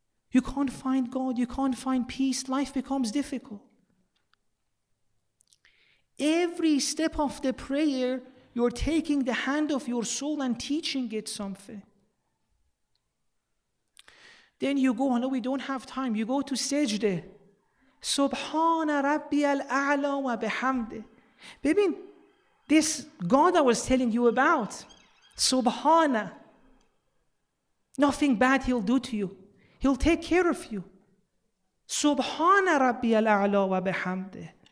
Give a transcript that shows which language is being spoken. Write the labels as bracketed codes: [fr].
[en] You can't find God, you can't find peace, life becomes difficult. Every step of the prayer, you're taking the hand of your soul and teaching it something. Then you go, no, we don't have time. You go to sajda. [ar] سبحان ربي الأعلى وبحمده. [en] Baby, this God I was telling you about, سبحان, nothing bad he'll do to you. He'll take care of you. [ar] سبحان ربي الأعلى وبحمده.